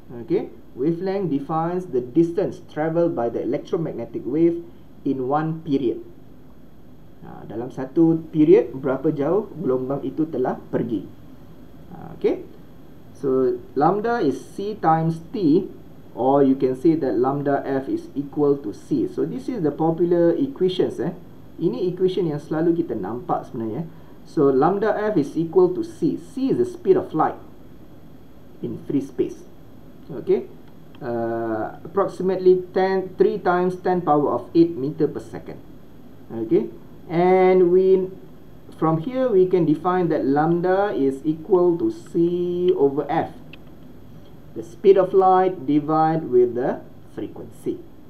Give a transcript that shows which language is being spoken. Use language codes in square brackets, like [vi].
[en] Okay, wavelength defines the distance traveled by the electromagnetic wave in one period. [ms] Dalam satu period, berapa jauh gelombang itu telah pergi. [en] Okay, so lambda is C times T, or you can say that lambda F is equal to C. So this is the popular equations. [ms] Ini equation yang selalu kita nampak sebenarnya. [en] So lambda F is equal to C. C is the speed of light in free space. Okay, approximately 3 times 10 power of 8 meter per second. Okay, and from here we can define that lambda is equal to C over F, the speed of light divided with the frequency.